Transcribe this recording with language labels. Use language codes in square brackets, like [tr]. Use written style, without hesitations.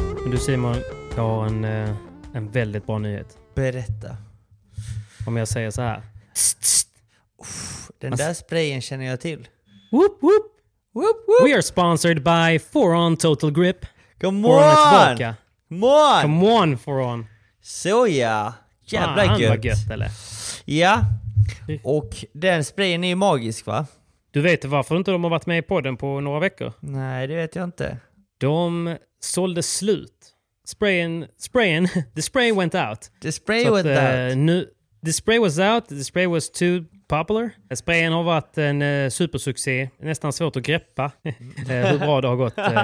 [sv] Du Simon, jag har en väldigt bra nyhet. Berätta. Om jag säger så här. Den där sprayen känner jag till. [en] Whoop, whoop, whoop, whoop. We are sponsored by Foron Total Grip. Come on! Come on! Come on, Foron. [sv] Såja. Jävla gött. Vad gött, eller? Ja. Och den sprayen är ju magisk, va? Du vet varför inte de har varit med på den på några veckor? Nej, det vet jag inte. De sålde slut. [en] Sprayen, the spray went out. The spray went out. Nu, the spray was out, the spray was too popular. [sv] Sprayen har varit en supersuccé. Nästan svårt att greppa hur bra det har gått.